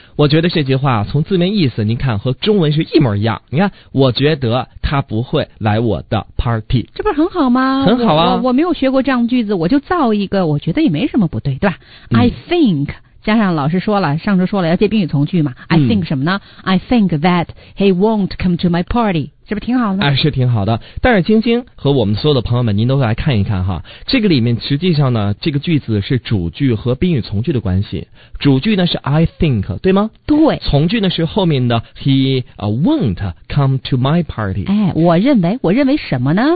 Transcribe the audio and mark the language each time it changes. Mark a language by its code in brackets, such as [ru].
[zh] 我觉得这句话从字面意思，您看和中文是一模一样。你看，我觉得他不会来我的 party，这不是很好吗？很好啊！我没有学过这样句子，我就造一个，我觉得也没什么不对，对吧、嗯、 [en] ？I think。 [zh] 加上老师说了，上周说了要接宾语从句嘛、嗯、 [en] I think [zh] 什么呢？ [en] I think that he won't come to my party， [zh] 是不是挺好的、啊、是挺好的。但是晶晶和我们所有的朋友们，您都来看一看哈，这个里面实际上呢，这个句子是主句和宾语从句的关系。主句呢是 [en] I think， [zh] 对吗？对。从句呢是后面的 [en] he won't come to my party。 [zh] 哎，我认为什么呢？